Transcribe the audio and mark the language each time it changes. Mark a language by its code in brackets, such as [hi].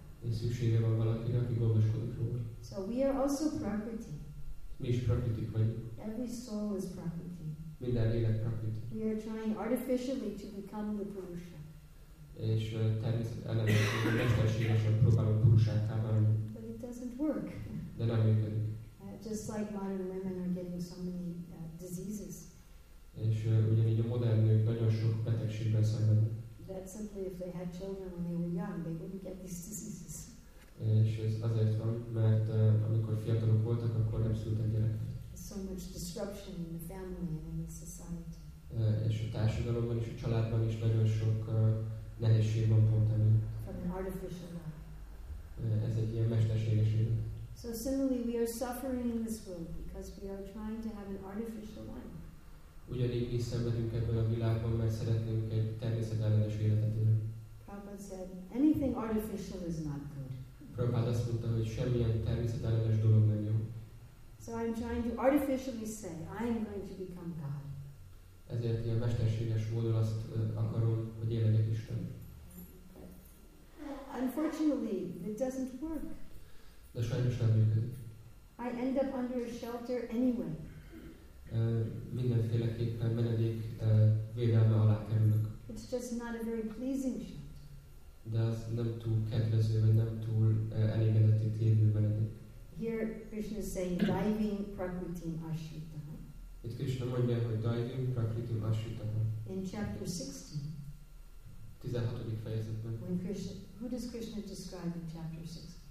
[hu] És szüksége van valakire, aki gondoskodik róla. [en] So we are also property. [hu] Mi is prakritik vagyunk. [en] Every soul is property. [hu] Minden lélek prakriti. [en] We are trying artificially to become the Purusha. [hu] És természetellenesen mesterségesen próbálunk purusává válni. [en] But it doesn't work. [hu] De nem működik. [en] Just like modern women are getting so many diseases. [hu] És ugyanígy a modern nők nagyon sok betegségben szenvednek. [en] That simply if they had children when they were young, they wouldn't get these diseases. [hu] És ez azért van, mert amikor fiatalok voltak, akkor nem szültek gyereket. [en] So much disruption in the family and in the society. [hu] És a társadalomban is, a családban is nagyon sok nehézség van pont emiatt. [en] From an artificial life. [hu] Ez egy ilyen mesterséges élet. [en] So similarly, we are suffering in this world because we are trying to have an artificial life. [hu] Ugyanígy mi szenvedünk ebben a világban, mert szeretnénk egy természetellenes életet élni. [en] Prabhupada said, anything artificial is not good. [hu] Prabhupada azt mondta, hogy semmilyen természetellenes dolog nem jó. [en] So I'm trying to artificially say, I am going to become God. [hu] Ezért ilyen mesterséges módon azt akarom, hogy én legyek Isten. [en] Unfortunately, it doesn't work. [hu] De sajnos nem működik. [en] I end up under a shelter anyway. [hu] Mindenféleképpen [en] very pleasing shot. [hu] De az nem túl kedvező, vagy nem túl elégedeti térbőben eddig. [en] Here Krishna is saying, [sa] diving prakritim ashrita. [hu] Itt Krishna mondja, hogy [sa] diving prakritim ashrita. [en] In chapter 16. [hu] 16. fejezetben. [en] When Krishna, who does Krishna describe in chapter 16?